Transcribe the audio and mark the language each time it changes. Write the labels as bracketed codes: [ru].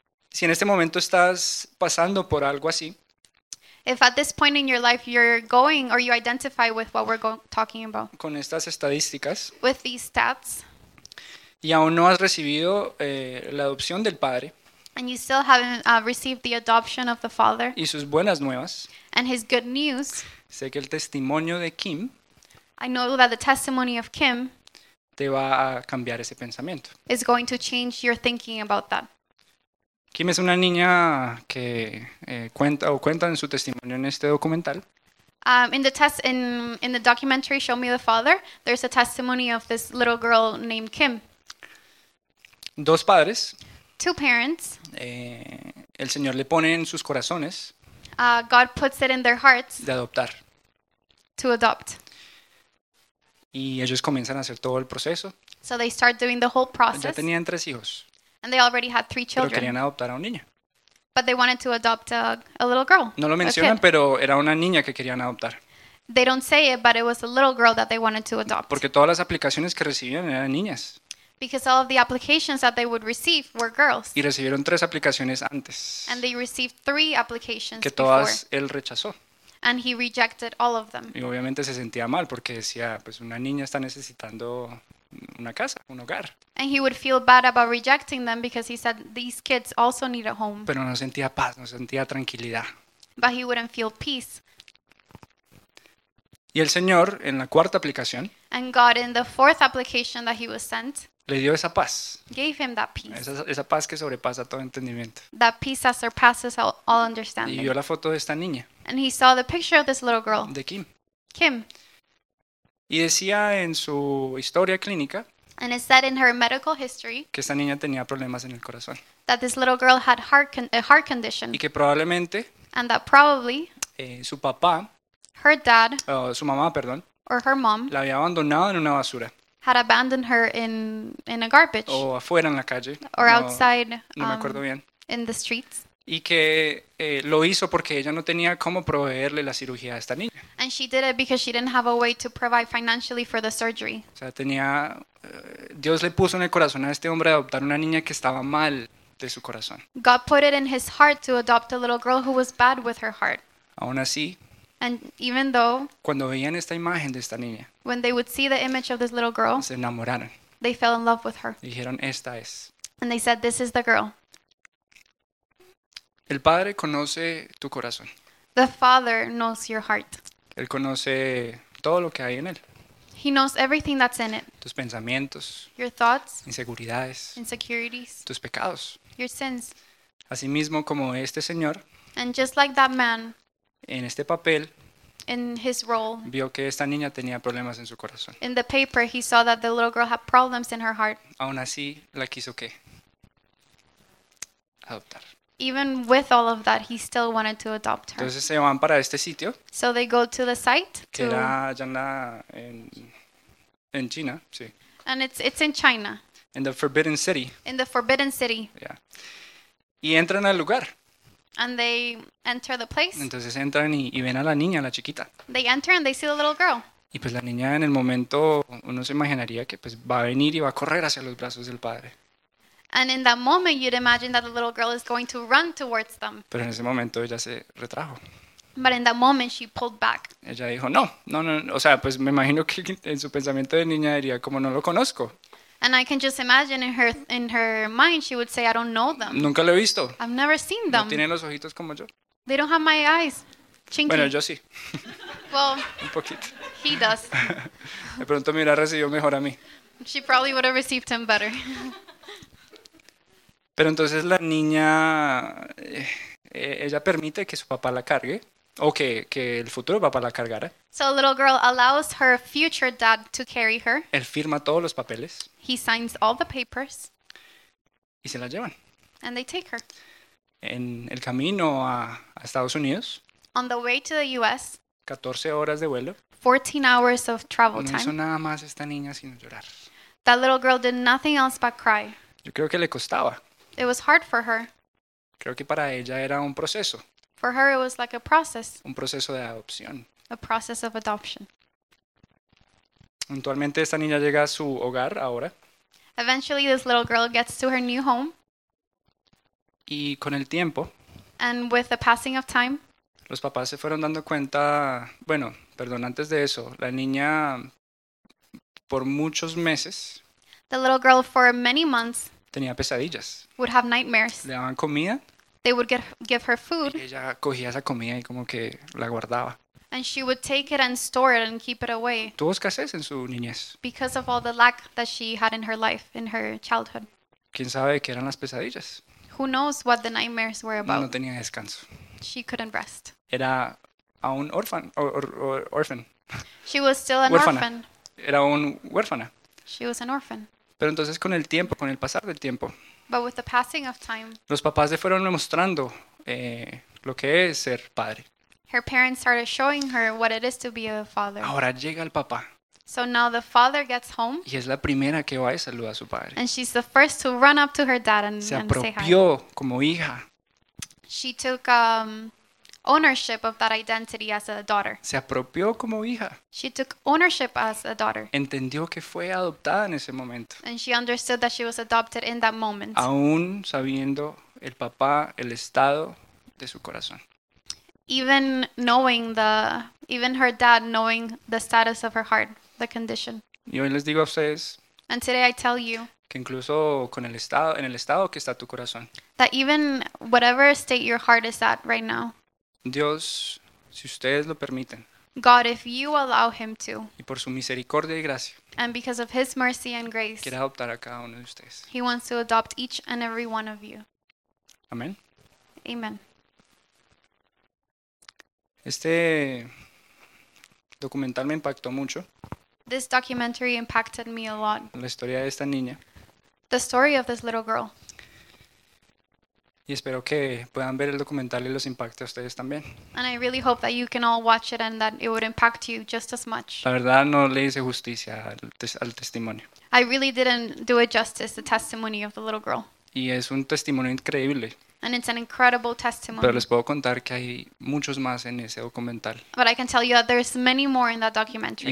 [es] Si en este momento estás pasando por algo así. [en] If at this point in your life you're going or you identify with what we're talking about. [es] Con estas estadísticas. [en] With these stats. [es] Y aún no has recibido la adopción del padre. [en] and you still haven't received the adoption of the Father, [es] y sus buenas nuevas, [en] and his good news, [es] sé que el testimonio de Kim, [en] I know that the testimony of Kim, [es] te va a cambiar ese pensamiento, [en] is going to change your thinking about that. [es] Kim es una niña que cuenta en su testimonio en este documental. [en] In the documentary Show Me the Father, there's a testimony of this little girl named Kim. [es] Dos padres. [en] Two parents. [es] El Señor le pone en sus corazones. [en] God puts it in their hearts. [es] De adoptar. [en] To adopt. [es] Y ellos comienzan a hacer todo el proceso. [en] So they start doing the whole process. [es] Ya tenían tres hijos. [en] And they already had three children. [es] Pero querían adoptar a un niño. [en] But they wanted to adopt a little girl. [es] No lo mencionan, pero era una niña que querían adoptar. [en] They don't say it, but it was a little girl that they wanted to adopt. [es] Porque todas las aplicaciones que recibían eran niñas. [en] Because all of the applications that they would receive were girls. [es] Y recibieron tres aplicaciones antes. [en] And they received three applications before. [es] Que todas [en] before. [es] Él rechazó. [en] And he rejected all of them. [es] Y obviamente se sentía mal porque decía, pues una niña está necesitando una casa, un hogar. [en] And he would feel bad about rejecting them because he said these kids also need a home. [es] Pero no sentía paz, no sentía tranquilidad. [en] But he wouldn't feel peace. [es] Y el Señor en la cuarta aplicación. [en] And God in the fourth application that he was sent. [es] Le dio esa paz. [en] Gave him that peace. [es] Esa paz que sobrepasa todo entendimiento. [en] That peace that surpasses all understanding. [es] Y vio la foto de esta niña. [en] And he saw the picture of this little girl. [es] De Kim. [en] Kim. [es] Y decía en su historia clínica. [en] And it said in her medical history. [es] Que esta niña tenía problemas en el corazón. [en] That this little girl had a heart condition. [es] Y que probablemente. [en] And that probably. [es] Su papá. [en] Her dad. [es] Su mamá, perdón. [en] Or her mom. [es] La había abandonado en una basura. [en] Had abandoned her in a garbage. [es] O afuera en la calle. [en] Or outside. [es] No me acuerdo bien. [en] In the streets. [es] Y que lo hizo porque ella no tenía cómo proveerle la cirugía a esta niña. [en] And she did it because she didn't have a way to provide financially for the surgery. [es] O sea, tenía Dios le puso en el corazón a este hombre adoptar una niña que estaba mal de su corazón. [en] God put it in his heart to adopt a little girl who was bad with her heart. [es] Aún así. [en] And even though. [es] Cuando veían esta imagen de esta niña. [en] When they would see the image of this little girl. [es] Se enamoraron. [en] They fell in love with her. [es] Dijeron, esta es. [en] And they said, this is the girl. [es] El Padre conoce tu corazón. [en] The Father knows your heart. [es] Él conoce todo lo que hay en él. [en] He knows everything that's in it. [es] Tus pensamientos. [en] Your thoughts. [es] Inseguridades. [en] Insecurities. [es] Tus pecados. [en] Your sins. [es] Asimismo como este señor. [en] And just like that man. [es] En este papel. [en] In his role. [es] Vio que esta niña tenía problemas en su corazón. [en] In the paper he saw that the little girl had problems in her heart. [es] Aún así la quiso ¿qué? Adoptar. [en] Even with all of that, he still wanted to adopt her. [es] Entonces se van para este sitio. [en] So they go to the site. [es] Que era allá en China, sí. [en] And it's in China. In the Forbidden City. In the Forbidden City. Yeah. [es] Y entran al lugar. [en] And they enter the place. [es] Entonces entran y ven a la niña, la chiquita. [en] They enter and they see the little girl. [es] Y pues la niña en el momento, uno se imaginaría que pues va a venir y va a correr hacia los brazos del padre. [en] And in that moment, you'd imagine that the little girl is going to run towards them. [es] Pero en ese momento ella se retrajo. [en] But in that moment, she pulled back. [es] Ella dijo, no, no, no. O sea, pues me imagino que en su pensamiento de niña diría, como no lo conozco. [en] And I can just imagine in her mind, she would say, I don't know them. [es] Nunca lo he visto. [en] I've never seen them. [es] No tienen los ojitos como yo. [en] They don't have my eyes. Chinky. [es] Bueno, yo sí. [en] Well, [es] un poquito. [en] He does. [es] De pronto me hubiera recibido mejor a mí. [en] She probably would have received him better. [es] Pero entonces la niña, ella permite que su papá la cargue, o que el futuro papá la cargara. [en] So a little girl allows her future dad to carry her. [es] Él firma todos los papeles. [en] He signs all the papers. [es] Y se la llevan. [en] And they take her. [es] En el camino a Estados Unidos. [en] On the way to the US. [es] 14 horas de vuelo. [en] 14 hours of travel time. [es] No hizo nada más esta niña sino llorar. [en] That little girl did nothing else but cry. [es] Yo creo que le costaba. [en] It was hard for her. [es] Creo que para ella era un proceso. [en] For her it was like a process. [es] Un proceso de adopción. [en] A process of adoption. [es] Eventualmente esta niña llega a su hogar ahora. [en] Eventually this little girl gets to her new home. [es] Y con el tiempo. [en] And with the passing of time. [es] Los papás se fueron dando cuenta, bueno, perdón, antes de eso, la niña por muchos meses. [en] The little girl for many months. [es] tenía pesadillas. [en] Would have nightmares. [es] Le daban comida. [en] They would give her food. [es] Y ella cogía esa comida y como que la guardaba. [en] And she would take it and store it and keep it away. [es] Tuvo escasez en su niñez. [en] Because of all the lack that she had in her life, in her childhood. [es] ¿Quién sabe qué eran las pesadillas? [en] Who knows what the nightmares were about? [es] No tenía descanso. [en] She couldn't rest. [es] Era un orfan, [en] orphan. She was still an [es] huérfana. [en] Orphan. [es] Era un huérfana. [en] She was an orphan. [es] Pero entonces con el tiempo, con el pasar del tiempo. [en] But with the passing of time. [es] Los papás le fueron mostrando lo que es ser padre. [en] Her parents started showing her what it is to be a father. [es] Ahora llega el papá. [en] So now the father gets home. [es] Y es la primera que va y saluda a su padre. [en] And she's the first to run up to her dad and say hi. [es] Se apropió como hija. [en] She took ownership of that identity as a daughter. [es] Se apropió como hija. [en] She took ownership as a daughter. [es] Entendió que fue adoptada en ese momento. [en] And she understood that she was adopted in that moment. [es] Aún sabiendo el papá el estado de su corazón. [en] Even knowing the, even her dad knowing the status of her heart, the condition. [es] Y hoy les digo a ustedes. [en] And today I tell you. [es] Que incluso con el estado, en el estado que está tu corazón. [en] That even whatever state your heart is at right now. [es] Dios, si ustedes lo permiten. [en] God, if you allow him to. [es] Y por su misericordia y gracia. [en] And because of his mercy and grace. [es] Quiere adoptar a cada uno de ustedes. [en] He wants to adopt each and every one of you. [es] Amén. [en] Amen. [es] Este documental me impactó mucho. [en] This documentary impacted me a lot. [es] La historia de esta niña. [en] The story of this little girl. [es] Y espero que puedan ver el documental y los impacte a ustedes también. [en] And I really hope that you can all watch it and that it would impact you just as much. [es] La verdad no le hice justicia al testimonio. [en] I really didn't do it justice, the testimony of the little girl. [es] Y es un testimonio increíble. [en] And it's an incredible testimony. [es] Pero les puedo contar que hay muchos más en ese documental. [en] But I can tell you that there's many more in that documentary.